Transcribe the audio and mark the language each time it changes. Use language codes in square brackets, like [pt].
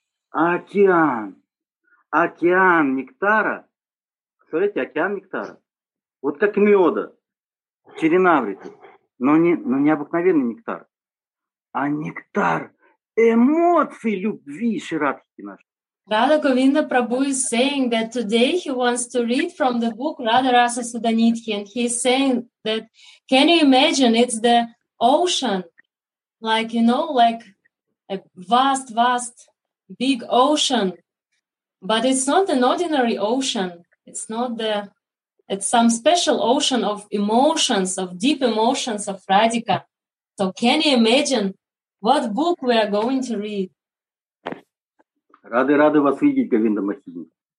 [ru] Океан. Океан нектара. Смотрите, океан нектара. Вот как меда. Черенаврита. Но не обыкновенный нектар. А нектар эмоций любви Шри Радхи нашей. [en] Radha Govinda Prabhu is saying that today he wants to read from the book Radha Rasa Sudhanidhi, and he's saying that, can you imagine, it's the ocean, like, you know, like a vast, vast, big ocean, but it's not an ordinary ocean, it's not the, it's some special ocean of emotions, of deep emotions of Radhika. So can you imagine what book we are going to read? [ru] Рады-рады вас видеть, Говинда Махини.